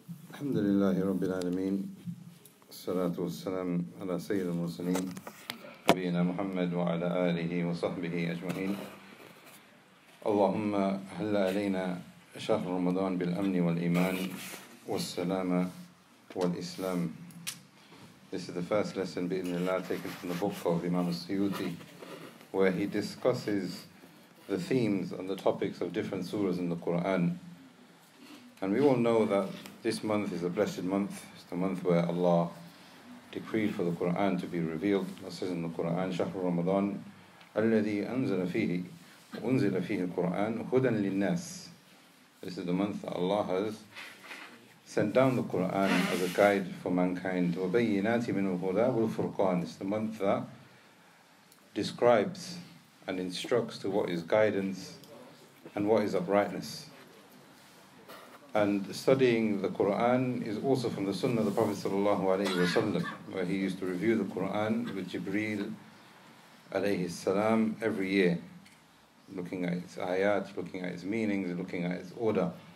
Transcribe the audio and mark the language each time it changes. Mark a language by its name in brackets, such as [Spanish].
[Arabic] الحمد لله رب العالمين الصلاة والسلام على سيد المرسلين نبينا محمد وعلى آله وصحبه أجمعين اللهم هل علينا شهر رمضان بالأمن والإيمان والسلامة والإسلام. [English] This is the first lesson [Arabic] بإذن الله [English] taken from the book of Imam al-Suyuti, where he discusses the themes and the topics of different surahs in the Quran. And we all know that this month is a blessed month. It's the month where Allah decreed for the Quran to be revealed. It says in the Quran, [Arabic] شهر رمضان الذي أنزل فيه القرآن هدى للناس. [English] This is the month that Allah has sent down the Quran as a guide for mankind. [Arabic] وبينات من الهدى والفرقان. [English] It's the month that describes and instructs to what is guidance and what is uprightness. And studying the Qur'an is also from the sunnah of the Prophet sallallahu alayhi wa sallam, where he used to review the Qur'an with Jibreel alayhi salam every year, looking at its ayat, looking at its meanings, looking at its order.